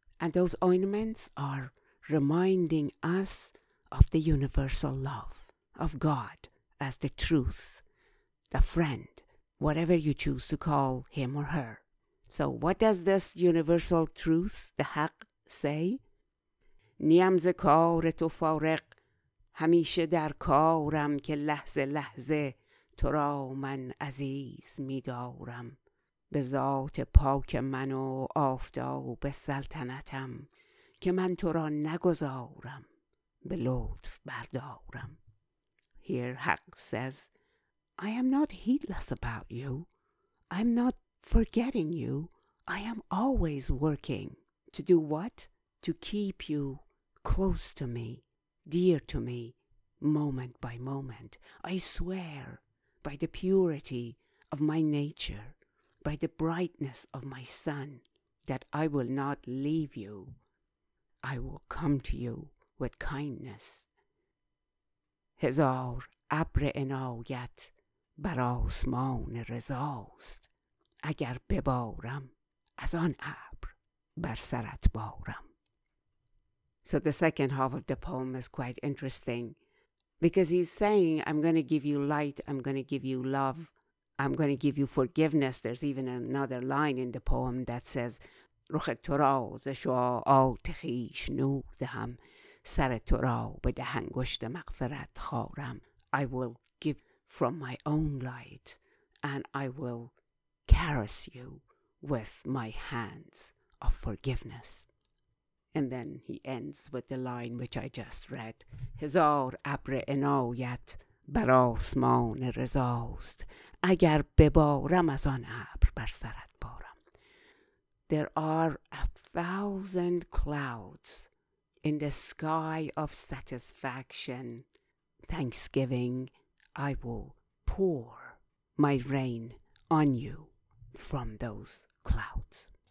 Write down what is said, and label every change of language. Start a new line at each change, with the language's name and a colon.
English: And those ointments are reminding us of the universal love of God as the truth, the friend, whatever you choose to call him or her. So what does this universal truth, the Haq, say?
Persian: نیم ز کار تو فارق همیشه در کارم که لحظه لحظه تو را من عزیز می دارم به ذات پاک من و آفتاب سلطنتم که من تو را نگذارم به لطف بردارم.
English: Here Haq says, I am not heedless about you. I am not forgetting you. I am always working. To do what? To keep you close to me, dear to me, moment by moment. I swear by the purity of my nature, by the brightness of my sun, that I will not leave you. I will come to you with kindness.
Persian: هزار ابر عنایت بر آسمان رضاست اگر ببارم از آن ابر بر سرت بارم.
English: So the second half of the poem is quite interesting because he's saying, I'm going to give you light, I'm going to give you love, I'm going to give you forgiveness. There's even another line in the poem that says,
Persian: رخ تو را ز شعاعات خویش نور دهم سر تو را به دهانگشت مغفرت خارم.
English: I will give from my own light and I will caress you with my hands of forgiveness. And then he ends with the line which I just read.
Persian: هزار ابر عنایت بر آسمان رضاست اگر ببارم از آن ابر بر سرت بارم.
English: There are 1,000 clouds in the sky of satisfaction, thanksgiving. I will pour my rain on you from those clouds.